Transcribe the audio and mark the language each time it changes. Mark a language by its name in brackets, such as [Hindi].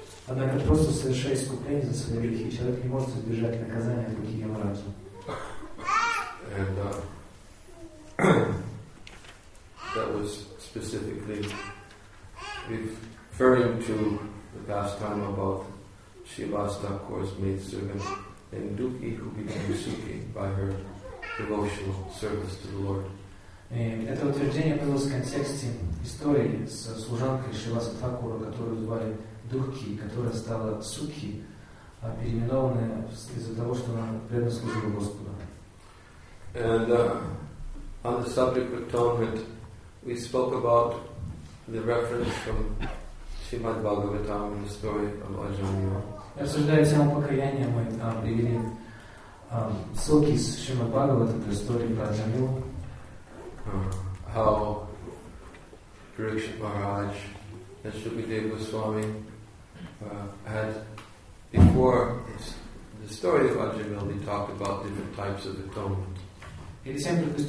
[English] And that was specifically referring to the pastime about Srivastava's maid servant and Duki, who became Suki by her devotional service to the Lord. [Russian] Это утверждение было в контексте истории с служанкой Шивасатакура, которую звали Духи, которая стала Сукхи, переименованная из-за того, что она преданно служила Господу. [English] And on the subject of atonement, we spoke about the reference from Srimad Bhagavatam in the story of Ajaniya. [Russian] Я обсуждаю тему покаяния, мы привели ссылки из Шримад Бхагавата, это история про Ajaniya. [English] How Pariksit Maharaj and Shukadeva Goswami had before the story of Ajamil, they talked about different types of atonement.